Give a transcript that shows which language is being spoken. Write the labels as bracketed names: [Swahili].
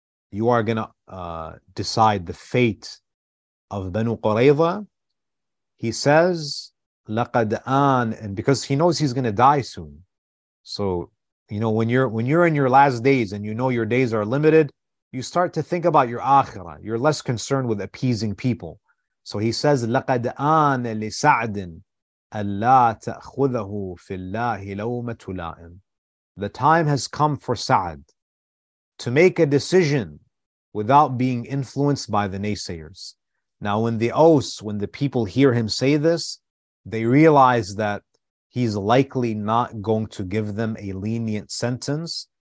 [English] You are going to decide the fate of Banu Qurayza. He says, [Arabic] "لَقَدْ آن," [English] and because he knows he's going to die soon. So, you know, when you're in your last days and you know your days are limited, you start to think about your akhirah. You're less concerned with appeasing people. So he says, [Arabic] "لَقَدْ آن لِسَعْدٍ أَلَّا تَأْخُذَهُ فِي اللَّهِ لَوْمَةُ لَائِمٍ." [English] The time has come for Sa'd to make a decision without being influenced by the naysayers. Now, when the Aws, when the people hear him say this, they realize that he's likely not going to give them a lenient sentence.